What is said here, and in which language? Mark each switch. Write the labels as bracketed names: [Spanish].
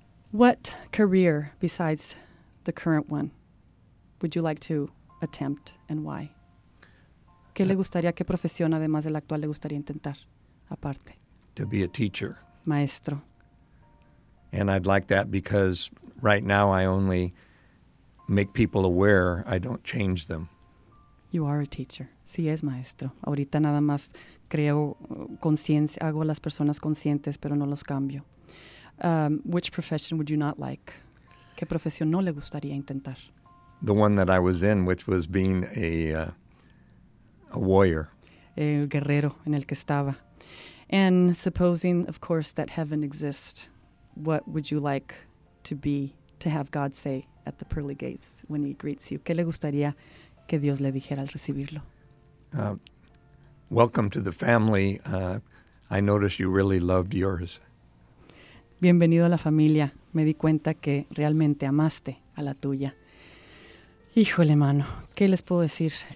[English] What career besides the current one would you like to attempt and why? [Spanish] ¿Qué le gustaría, qué profesión además de la actual le gustaría intentar aparte? [English] To be a teacher. [Spanish] Maestro. [English] And I'd like that because right now I only make people aware, I don't change them. You are a teacher. [Spanish] Sí, es maestro. Ahorita nada más creo conciencia, hago a las personas conscientes, pero no los cambio. [English] Which profession would you not like? [Spanish] ¿Qué profesión no le gustaría intentar? [English] The one that I was in, which was being a warrior. [Spanish] El guerrero en el que estaba. [English] And supposing, of course, that heaven exists, what would you like to be, to have God say at the pearly gates when he greets you? [Spanish] ¿Qué le gustaría que Dios le dijera al recibirlo? [English] Welcome to the family. I noticed you really loved yours. [Spanish] Bienvenido a la familia. Me di cuenta que realmente amaste a la tuya. Híjole, mano, ¿qué les puedo decir?